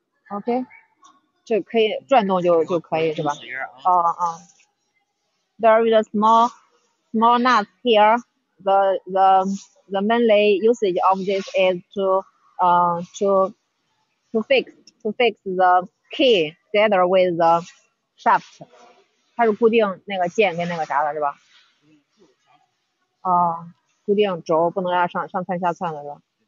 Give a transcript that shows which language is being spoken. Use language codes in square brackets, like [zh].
[zh] OK， 这可以转动就可以是吧？ [en] 哦哦。There is a small nut here. The mainly usage of this is to fix the key together with the shaft. [zh] 它是固定那个键跟那个啥的是吧？哦，固定轴不能让上窜下窜的是吧？